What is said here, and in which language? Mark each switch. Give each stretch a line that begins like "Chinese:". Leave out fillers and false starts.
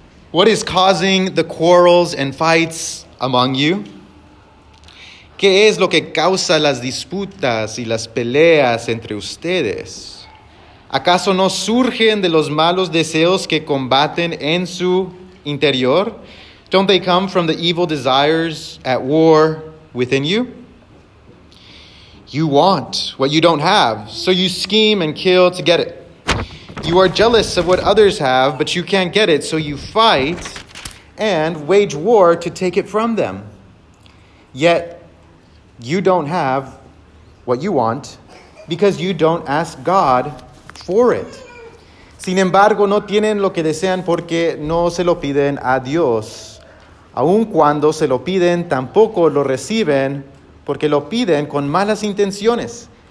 English: What is causing the quarrels and fights among you?
Spanish: ¿Qué es lo que causa las disputas y las peleas entre ustedes? ¿Acaso no surgen de los malos deseos que combaten en su interior?
English: Don't they come from the evil desires at war within you? You want what you don't have, so you scheme and kill to get it. You are jealous of what others have, but you can't get it, so you fight and wage war to take it from them. Yet you don't have what you want because you don't ask God for it.
Spanish: Sin embargo, no tienen lo que desean porque no se lo piden a Dios. Aun cuando se lo piden, tampoco lo reciben porque lo piden con malas intenciones.